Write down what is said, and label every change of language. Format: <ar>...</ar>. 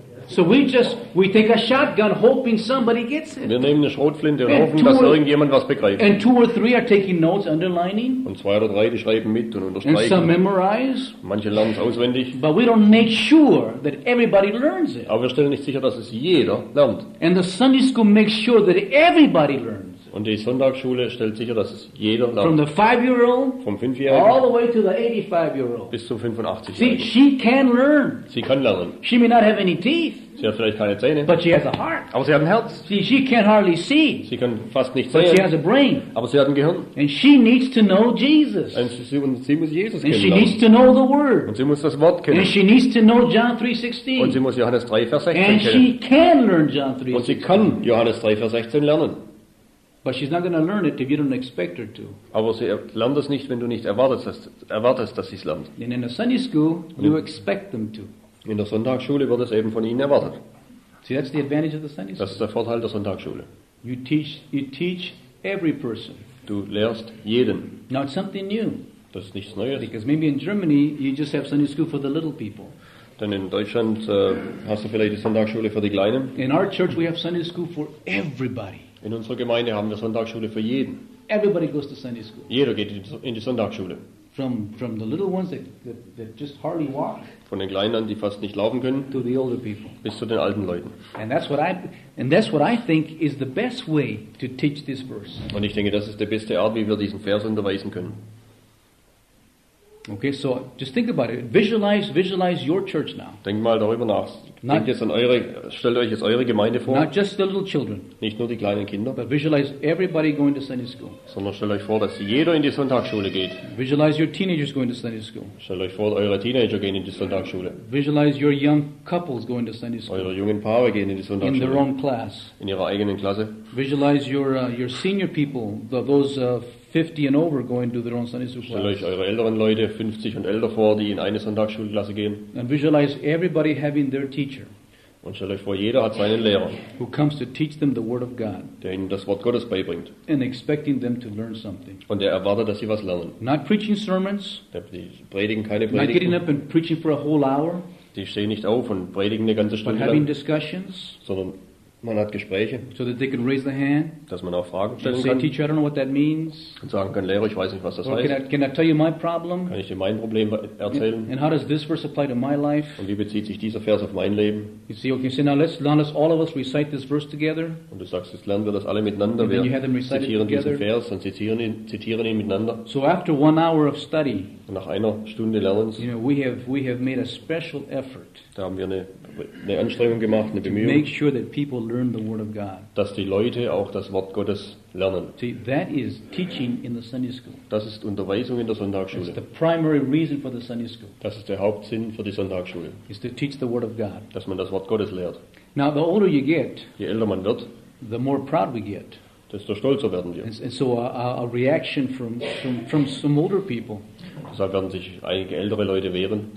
<en>So we take a shotgun hoping somebody gets it.</en> <de>Wir nehmen eine Schrotflinte und hoffen, dass irgendjemand was begreift.</de> <en>And two or three are taking notes, underlining.</en> <de>Und zwei oder drei, die schreiben mit und unterstreichen.</de> <en>And some memorize.</en> <de>Manche lernen es auswendig.</de> <en>But we don't make sure that everybody learns it.</en> <de>Aber wir stellen nicht sicher, dass es jeder lernt.</de> <en>And the Sunday school makes sure that everybody learns.</en> <de>Und die Sonntagsschule stellt sicher, dass es jeder lernt.</de> <en>From the 5-year-old,</en> <de>vom 5-Jährigen,</de> <en>all the way to the 85-year-old.</en> <de>Bis zum 85-Jährigen.</de> <en>See, she can learn.</en> <de>Sie kann lernen.</de> <en>She may not have any teeth.</en> <de>Sie hat vielleicht keine Zähne.</de> <en>But she has a heart.</en> <de>Aber sie hat ein Herz.</de> <en>See, she can hardly see.</en> <de>Sie kann fast nicht</de> <en>but</en> <de>sehen.</de> <en>She has a brain.</en> <de>Aber sie hat ein Gehirn.</de> <en>And she needs to know Jesus.</en> <de>Und sie muss Jesus</de> <en>and</en> <de>kennen.</de> <en>And she needs to know the word.</en> <de>Und sie muss das Wort kennen.</de> <en>And she needs to know John 3:16.</en> <de>Und sie muss Johannes 3, Vers 16</de> <en>and</en> <de>kennen.</de> <en>And she can learn John 3:16.</en> <de>Und sie kann Johannes 3, Vers 16 lernen.</de> <en>But she's not going to learn it if you don't expect her to.</en> <de>Aber sie lernt es nicht, wenn du nicht erwartest, dass sie es lernt.</de> <en>And in a Sunday school, you expect them to.</en> <de>In der Sonntagsschule wird es eben von ihnen erwartet.</de> <en>See, that's the advantage of the Sunday school.</en> <de>Das ist der Vorteil der Sonntagsschule.</de> <en>You teach every person.</en> <de>Du lehrst jeden.</de> <en>Not something new.</en> <de>Das ist nichts Neues.</de> <en>Because maybe in Germany, you just have Sunday school for the little people.</en> <de>Denn in Deutschland hast du vielleicht die Sonntagsschule für die Kleinen.</de> <en>In our church, we have Sunday school for everybody.</en> <de>In unserer Gemeinde haben wir Sonntagsschule für jeden.</de> <en>Everybody goes to Sunday school.</en> <de>Jeder geht in die Sonntagsschule.</de> <en>From the little ones that just hardly walk.</en> <de>Von den Kleinen an, die fast nicht laufen können.</de> <en>To the older people.</en> <de>Bis zu den alten Leuten.</de> <en>And that's what I think is the best way to teach this verse.</en> <de>Und ich denke, das ist die beste Art, wie wir diesen Vers unterweisen können.</de> <en>Okay, so just think about it. Visualize your church now.</en> <de>Denk mal darüber nach. Denkt jetzt an eure, stellt euch jetzt eure Gemeinde vor.</de> <en>Not just the little children.</en> <de>Nicht nur die kleinen Kinder.</de> <en>But visualize everybody going to Sunday school.</en> <de>Sondern stellt euch vor, dass jeder in die Sonntagsschule geht.</de> <en>Visualize your teenagers going to Sunday school.</en> <de>Stellt euch vor, eure Teenager gehen in die Sonntagsschule.</de> <en>Visualize your young couples going to Sunday school.</en> <de>Eure jungen Paare gehen in die Sonntagsschule.</de> <en>In their own class.</en> <de>In ihrer eigenen Klasse.</de> <en>Visualize your senior people, those 50 and over going to their own Sunday school class.</en> <de>Stellt euch eure älteren Leute, 50 und älter vor, die in eine Sonntagsschulklasse gehen.</de> <en>And visualize everybody having their teacher.</en> <de>Und stell euch vor, jeder hat seinen Lehrer,</de> <en>who comes to teach them the word of God,</en> <de>der ihnen das Wort Gottes beibringt.</de> <en>And expecting them to learn something.</en> <de>Und er erwartet, dass sie was lernen.</de> <en>Not preaching sermons,</en> <de>die predigen keine Predigten.</de> <en>Not getting up and preaching for a whole hour,</en> <de>die stehen nicht auf und predigen eine ganze Stunde</de> <en>but having discussions,</en> <de>sondern man hat Gespräche,</de> <en>so that they can raise the hand,</en> <de>dass man auch Fragen stellen</de> <en>say,</en> <de>kann.</de> <en>Teacher, I don't know what that means.</en> <de>Und sagen kann, Lehrer, ich weiß nicht, was das</de> <en>or</en> <de>heißt.</de> <en>Can I tell you my problem?</en> <de>Kann ich dir mein Problem erzählen?</de> <en>And how does this verse apply to my life?</en> <de>Und wie bezieht sich dieser Vers auf mein Leben?</de> <en>You see, okay, say, now let's all of us recite this verse together.</en> <de>Und du sagst, jetzt lernen wir das alle miteinander.</de> <en>And</en> <de>wir</de> <en>you have them recite</en> <de>zitieren</de> <en>it together.</en> <de>Diesen Vers und zitieren ihn miteinander.</de> <en>So after 1 hour of study,</en> <de>und nach einer Stunde Lernens,</de> <en>you know, we have made a special effort.</en> <de>Da haben wir eine Anstrengung gemacht, eine Bemühung,</de> <en>make sure that people learn the word of God.</en> <de>Dass die Leute auch das Wort Gottes lernen.</de> <en>See, that is teaching in the Sunday school.</en> <de>Das ist Unterweisung in der Sonntagsschule.</de> <en>That's the primary reason for the Sunday school.</en> <de>Das ist der Hauptsinn für die Sonntagsschule.</de> <en>Is to teach the word of God.</en> <de>Dass man das Wort Gottes lehrt.</de> <en>Now, the older you get,</en> <de>je älter man wird,</de> <en>the more proud we get.</en> <de>Desto stolzer werden wir.</de> <en>And so a reaction from some older people.</en> <de>Deshalb werden sich einige ältere Leute wehren.</de>